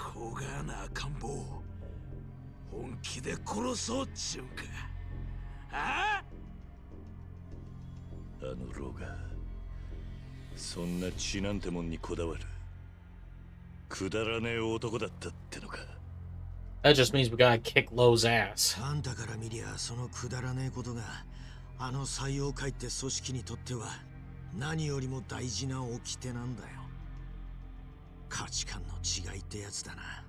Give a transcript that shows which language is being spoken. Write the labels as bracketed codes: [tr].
[ja] こがな赤ん坊本気で殺そうっちゅうか。ああ、あの牢がそんな血なんてもんにこだわるくだらねえ男だったってのか。 [en] That just means we gotta kick Lo's ass. [ja] あんたから見りゃそのくだらねえことがあの採用会って組織にとっては何よりも大事な掟なんだよ。価値観の違いってやつだな。